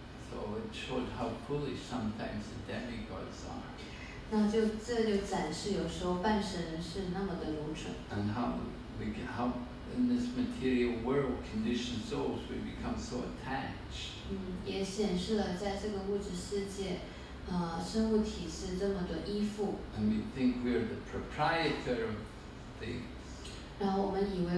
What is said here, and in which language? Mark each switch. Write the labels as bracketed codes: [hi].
[en] So it showed how foolish sometimes the demigods are. [zh] 那就这就展示有时候半神是那么的愚蠢。 [en] And how in this material world conditioned souls we become so attached. [zh] 也显示了在这个物质世界，生物体是这么的依附。 [en] And we think we are the proprietor of things.